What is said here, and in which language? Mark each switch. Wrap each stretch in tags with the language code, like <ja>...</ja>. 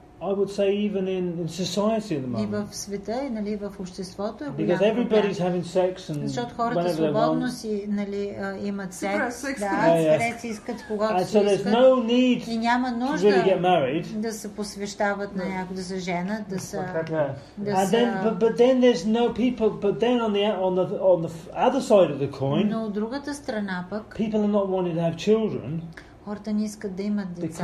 <en>I would say even in society at the moment.</en> <bg>И в света, нали, в обществото е.</bg> <en>Because everybody's having sex and</en> <bg>защото хората свободно си, нали, имат секс, искат когато си искат.</bg> <en>No need</en> <bg>и няма нужда</bg> <en>really get married.</en> <bg>Да се посвещават на някой, да се женят, да са.</bg> <en>And then but then there's no people but then on the other side of the coin.</en> <bg>Но от другата страна пък.</bg> <en>People are not wanting to have children.</en> <bg>Хората не искат да имат деца.</bg>